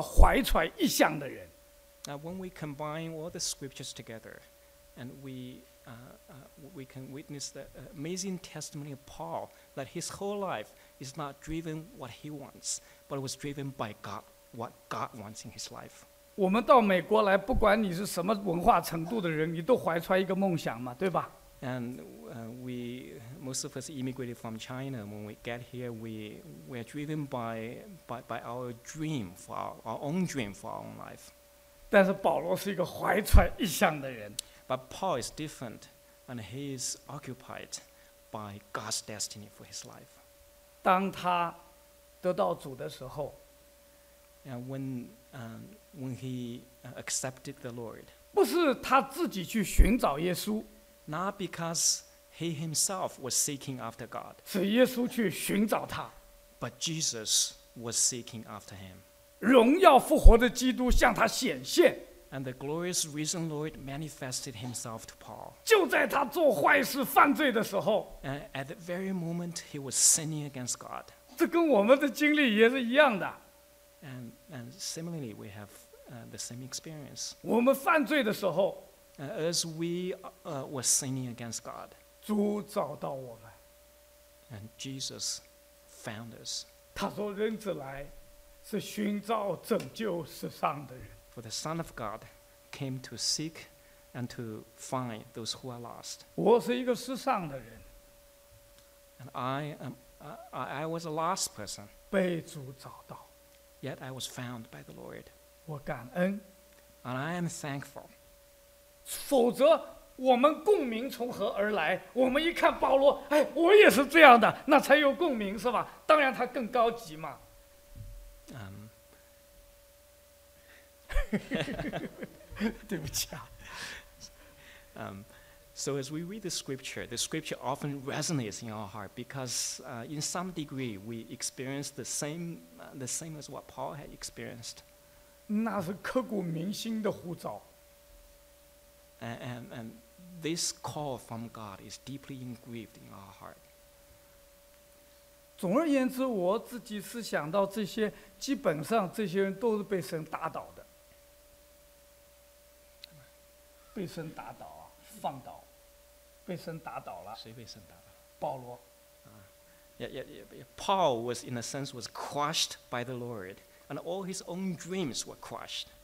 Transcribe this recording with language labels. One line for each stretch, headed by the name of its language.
Chinese: 如果我们把这三段的经文合在一起读的时候，我们就知道保罗他并不是一个怀揣梦想的人，他是一个怀揣意向的人。
English: Now, when we combine all the scriptures together, and we can witness the amazing testimony of Paul that his whole life is not driven what he wants, but it was driven by God, what God wants in his life.
Chinese: 我们到美国来，不管你是什么文化程度的人，你都怀揣一个梦想嘛，对吧？
English: And we, most of us immigrated from China. When we get here, we're driven by our dream for our own dream for our own life.
Chinese: 但是保罗是一个怀揣异象的人。
English: But Paul is different, and he is occupied by God's destiny for his life.
Chinese: 当他得到主的时候。
English: when he accepted the Lord.
Chinese: 不是他自己去寻找耶稣。
English: Not because he himself was seeking after God.
Chinese: 是耶稣去寻找他。
English: But Jesus was seeking after him.
Chinese: 荣耀复活的基督向他显现。
English: And the glorious risen Lord manifested himself to Paul.
Chinese: 就在他做坏事犯罪的时候。
English: And at the very moment he was sinning against God.
Chinese: 这跟我们的经历也是一样的。
English: And similarly, we have the same experience.
Chinese: 我们犯罪的时候。
English: As we were sinning against God.
Chinese: 主找到我们。
English: And Jesus found us.
Chinese: 他说人子来是寻找拯救世上的人。
English: For the Son of God came to seek and to find those who are lost.
Chinese: 我是一个世上的人。
English: And I was a lost person.
Chinese: 被主找到。
English: Yet I was found by the Lord.
Chinese: 我感恩。
English: And I am thankful.
Chinese: 否则我们共鸣从何而来？我们一看保罗，哎，我也是这样的，那才有共鸣是吧？当然他更高级嘛。对不起啊。
English: So as we read the scripture often resonates in our heart because in some degree we experience the same as what Paul had experienced.
Chinese: 那是刻骨铭心的呼召。
English: And this call from God is deeply engraved in our heart.
Chinese: 总而言之，我自己是想到这些，基本上这些人都是被神打倒的。被神打倒啊，放倒，被神打倒了。谁被神打倒？保罗。
English: Paul was in a sense was crushed by the Lord, and all his own dreams were crushed.